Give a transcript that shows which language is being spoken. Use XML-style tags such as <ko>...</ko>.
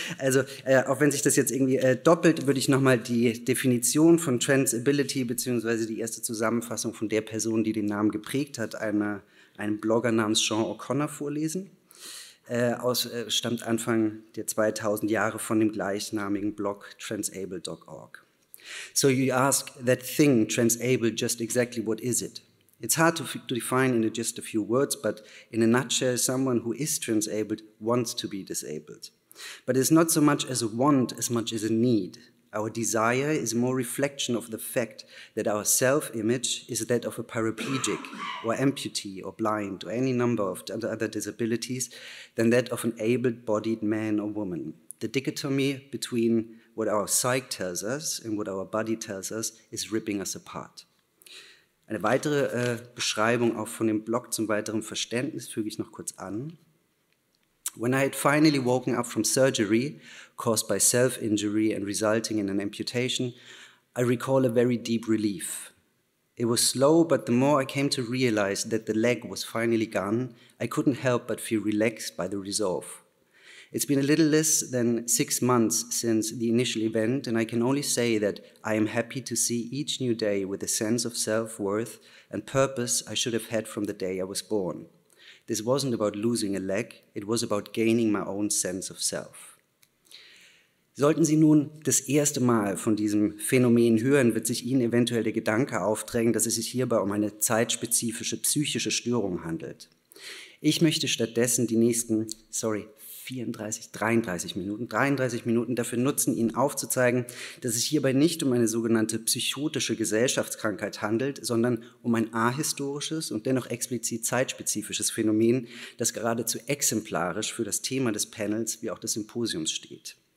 <de>Also, auch wenn sich das jetzt irgendwie doppelt, würde ich nochmal die Definition von Transability beziehungsweise die erste Zusammenfassung von der Person, die den Namen geprägt hat, einem Blogger namens Sean O'Connor vorlesen. Stammt Anfang der 2000 Jahre von dem gleichnamigen Blog transable.org.</de> <en>So you ask that thing, transable, just exactly what is it? It's hard to define in just a few words, but in a nutshell, someone who is transabled wants to be disabled. But it's not so much as a want as much as a need. Our desire is more reflection of the fact that our self-image is that of a paraplegic or amputee or blind or any number of other disabilities than that of an able-bodied man or woman. The dichotomy between what our psych tells us and what our body tells us is ripping us apart.</en> <de>Eine weitere Beschreibung auch von dem Blog zum weiteren Verständnis füge ich noch kurz an.</de> <en>When I had finally woken up from surgery, caused by self-injury and resulting in an amputation, I recall a very deep relief. It was slow, but the more I came to realize that the leg was finally gone, I couldn't help but feel relaxed by the resolve. It's been a little less than 6 months since the initial event, and I can only say that I am happy to see each new day with a sense of self-worth and purpose I should have had from the day I was born. This wasn't about losing a leg, it was about gaining my own sense of self.</en> <de>Sollten Sie nun das erste Mal von diesem Phänomen hören, wird sich Ihnen eventuell der Gedanke aufdrängen, dass es sich hierbei um eine zeitspezifische psychische Störung handelt. Ich möchte stattdessen die nächsten, 33 Minuten dafür nutzen, Ihnen aufzuzeigen, dass es hierbei nicht um eine sogenannte psychotische Gesellschaftskrankheit handelt, sondern um ein ahistorisches und dennoch explizit zeitspezifisches Phänomen, das geradezu exemplarisch für das Thema des Panels wie auch des Symposiums steht.</de>